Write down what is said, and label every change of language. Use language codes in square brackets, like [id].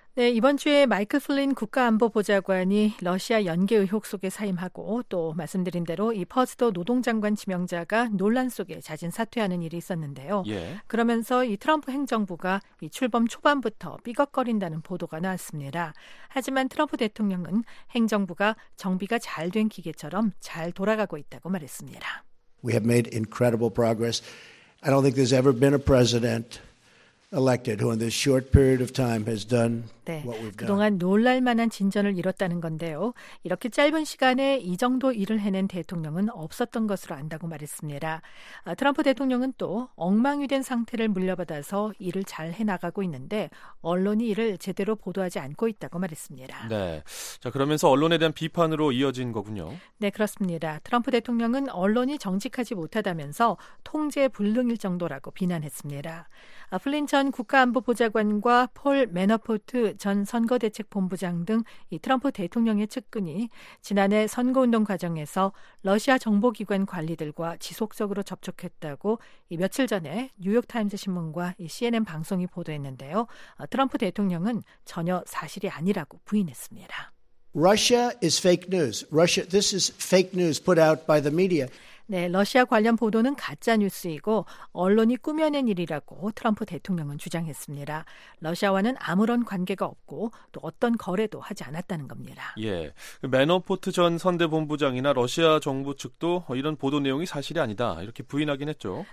[ko] 네, 이번 주에 마이클 플린 국가안보보좌관이 러시아 연계 의혹 속에 사임하고 또 말씀드린 대로 이 퍼즈더 노동장관 지명자가 논란 속에 자진 사퇴하는 일이 있었는데요. 예. 그러면서 이 트럼프 행정부가 이 출범 초반부터 삐걱거린다는 보도가 나왔습니다. 하지만 트럼프 대통령은 행정부가 정비가 잘 된 기계처럼 잘 돌아가고 있다고 말했습니다. [en] We have made incredible progress. I don't think there's ever been a president elected who in this short period of time has done what we've done. [ko] 네, 그동안 놀랄 만한 진전을 이뤘다는 건데요. 이렇게 짧은 시간에 이 정도 일을 해낸 대통령은 없었던 것으로 안다고 말했습니다. 트럼프 대통령은 또 엉망이 된 상태를 물려받아서 일을 잘 해나가고 있는데 언론이 이를 제대로 보도하지 않고 있다고 말했습니다. 네, 자 그러면서 언론에 대한 비판으로 이어진 거군요. 네, 그렇습니다. 트럼프 대통령은 언론이 정직하지 못하다면서 통제 불능일 정도라고 비난했습니다. 플린 전 국가안보보좌관과 폴 매너포트 전 선거대책본부장 등 이 트럼프 대통령의 측근이 지난해 선거운동 과정에서 러시아 정보기관 관리들과 지속적으로 접촉했다고 이 며칠 전에 뉴욕타임스 신문과 이 CNN 방송이 보도했는데요. 트럼프 대통령은 전혀 사실이 아니라고 부인했습니다. [en] Russia is fake news. Russia, this is fake news put out by the media. [ko] 네, 러시아 관련 보도는 가짜뉴스이고 언론이 꾸며낸 일이라고 트럼프 대통령은 주장했습니다. 러시아와는 아무런 관계가 없고 또 어떤 거래도 하지 않았다는 겁니다. 예, 매너포트 전 선대본부장이나 러시아 정부 측도 이런 보도 내용이 사실이 아니다 이렇게 부인하긴 했죠.